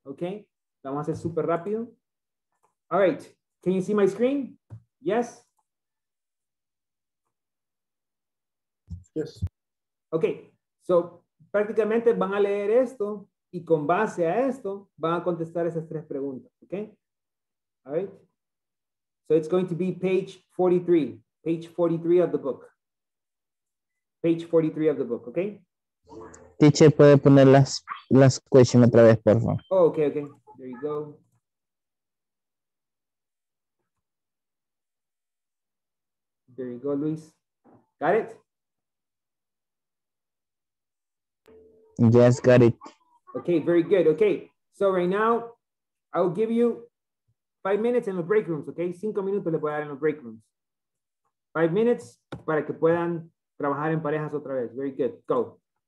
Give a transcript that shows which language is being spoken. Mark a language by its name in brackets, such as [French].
[English] Okay. [Spanish] Vamos a hacer súper rápido. [English] All right. Can you see my screen? Yes. Yes. Okay. [Spanish] So, prácticamente van a leer esto y con base a esto van a contestar esas tres preguntas. [English] Okay. All right. So, it's going to be page 43. Page 43 of the book. Page 43 of the book, okay? [Spanish] Teacher, puede poner las questions otra vez, por favor. [English] Oh, okay, okay. There you go. There you go, Luis. Got it? Yes, got it. Okay, very good. Okay, so right now, I'll give you 5 minutes in the break rooms, okay? [Spanish] 5 minutos le voy a dar en los break rooms. [English] 5 minutes [Spanish] para que puedan trabajar en parejas otra vez. [English] Very good. Go.